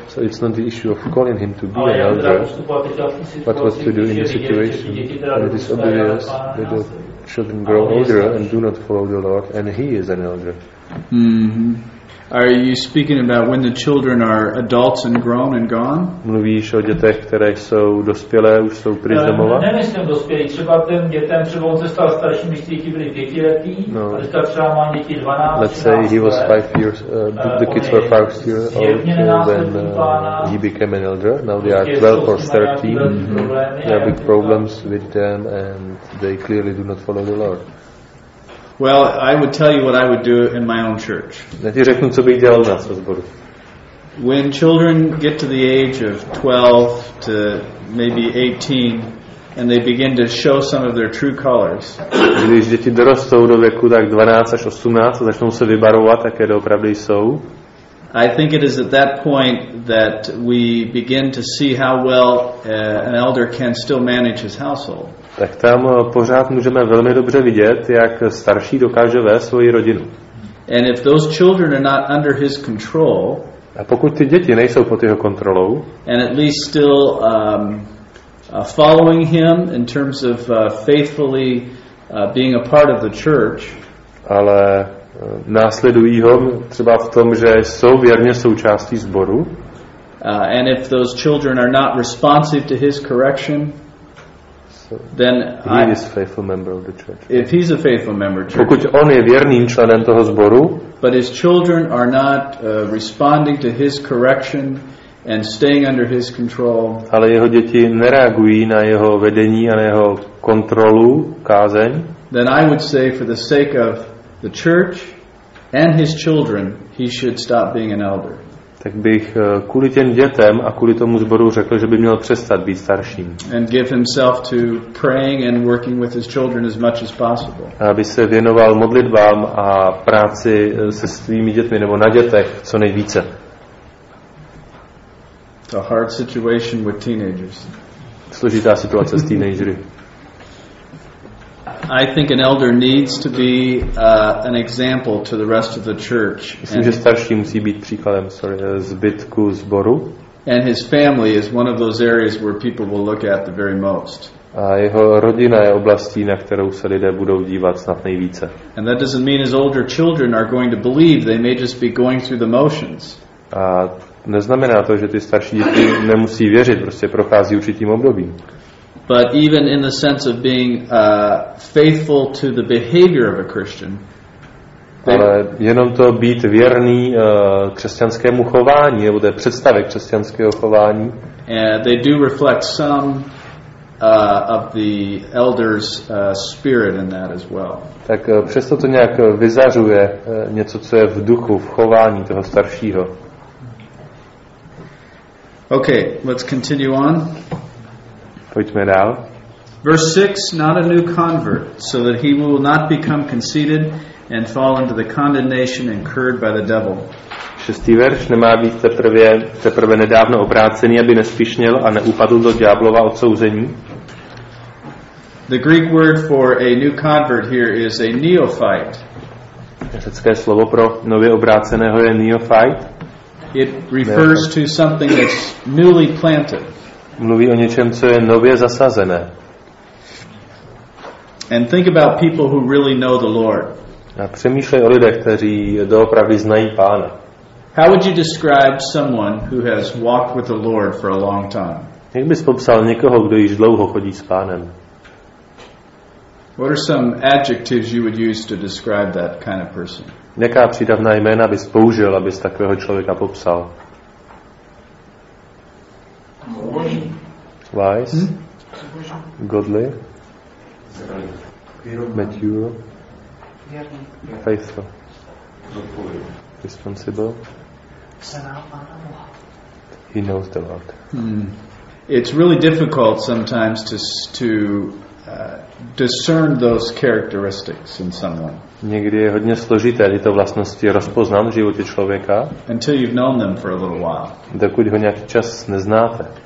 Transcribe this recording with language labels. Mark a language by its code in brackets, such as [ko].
[en] So it's not the issue of calling him to be an elder, but what to do in the situation when it is obvious that the children grow older and do not follow the Lord, and he is an elder. Are you speaking about when the children are adults and grown and gone? [cs] Mluvíš o dětech, které jsou dospělé, už jsou pryč z domova? Nemyslím dospělí, třeba ten dětem, třeba on se stal starším, když děti byly pětiletý, no. A dneska třeba má děti 12, 13 let. [en] Let's say he was 5 years, the kids were 5 years old when he became an elder. Now they are 12 or 13, they have big problems with them and they clearly do not follow the Lord. Well, I would tell you what I would do in my own church. [cs] Já ti řeknu, co bych dělal v našem sboru. [en] When children get to the age of 12 to maybe 18 and they begin to show some of their true colors. [cs] Když děti dorostou do věku tak 12 až 18 a začnou se vybarovat, jaké doopravdy jsou. [en] I think it is at that point that we begin to see how well an elder can still manage his household. [cs] Tak tam pořád můžeme velmi dobře vidět, jak starší dokáže vést svoji rodinu. [en] And if those children are not under his control, [cs] A pokud ty děti nejsou pod jeho kontrolou, [en] and at least still following him in terms of faithfully being a part of the church, [cs] ale následují ho třeba v tom, že jsou věrně součástí sboru. [en] And if those children are not responsive to his correction, then he is a faithful member of the church. If he's a faithful member of the church, [cs] pokud on je věrným členem toho sboru, [en] but his children are not responding to his correction and staying under his control, [cs] ale jeho děti nereagují na jeho vedení a na jeho kontrolu kázeň, [en] then I would say for the sake of the church and his children, he should stop being an elder. [cs] Tak bych kvůli těm dětem a kvůli tomu sboru řekl, že by měl přestat být starším. [en] And give himself to praying and working with his children as much as possible. [cs] Aby se věnoval modlitbám a práci se svými dětmi nebo na dětech co nejvíce. [en] A hard situation with teenagers. [cs] Složitá situace s teenagery. [en] I think an elder needs to be an example to the rest of the church. [cs] Myslím, že starší musí být příkladem, zbytku sboru. [en] And his family is one of those areas where people will look at the very most. [cs] A jeho rodina je oblastí, na kterou se lidé budou dívat snad nejvíce. [en] And that doesn't mean his older children are going to believe. They may just be going through the motions. [cs] A neznamená to, že ty starší děti nemusí věřit, prostě prochází určitým obdobím. [en] But even in the sense of being faithful to the behavior of a Christian, [cs] ale jenom to být věrný křesťanskému chování nebo té představě křesťanského chování, [en] and they do reflect some of the elders' spirit in that as well. [cs] Tak přesto to nějak vyzařuje něco, co je v duchu, v chování toho staršího. [en] Okay, let's continue on. [cs] Pojďme dál. [en] Verse 6, not a new convert, so that he will not become conceited and fall into the condemnation incurred by the devil. [cs] Šestý verš, nemá být teprve nedávno obrácený, aby nespišněl a neupadl do ďáblova odsouzení. [en] The Greek word for a new convert here is a neophyte. [cs] Řecké slovo pro nově obráceného je neophyte. [en] It refers to something that's newly planted. [cs] Mluví o něčem, co je nově zasazené. [en] And think about people who really know the Lord. [cs] A přemýšlej o lidech, kteří doopravdy znají Pána. [en] How would you describe someone who has walked with the Lord for a long time? [cs] Jak bys popsal někoho, kdo již dlouho chodí s Pánem? [en] What are some adjectives you would use to describe that kind of person? [cs] Jaká přídavná jména bys použil, abys takového člověka popsal? [en] Wise, godly, mature, faithful, responsible. He knows the Lord. It's really difficult sometimes to discern those characteristics in someone. [cs] Někdy je hodně složité tyto vlastnosti rozpoznat v životě člověka. [en] Until you've known them for a little while. [cs] Dokud ho nějaký čas neznáte.